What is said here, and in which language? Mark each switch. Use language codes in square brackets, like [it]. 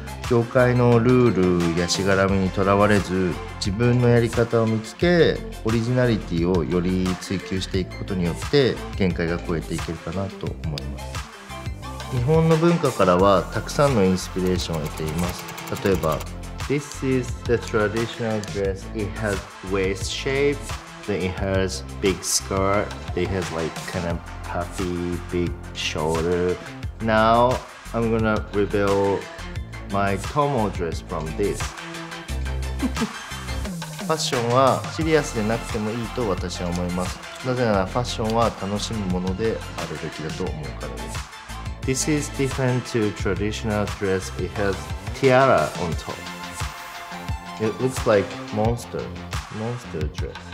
[ja] 業界のルールやしがらみにとらわれず、自分のやり方を見つけ、オリジナリティをより追求していくことによって限界が超えていけるかなと思います。日本の文化からはたくさんのインスピレーションを得ています。例えば [en] This is the traditional dress. It has waist shapeThen it has big skirt. It has like kind of puffy big shoulder. Now I'm gonna reveal my Tomo dress from this. [ja] ファッションはシリアスでなくてもいいと私は思います。なぜならファッションは楽しむものであるべきだと思うからです。 [en] This is different to traditional dress. It has tiara on top. It looks like monster dress.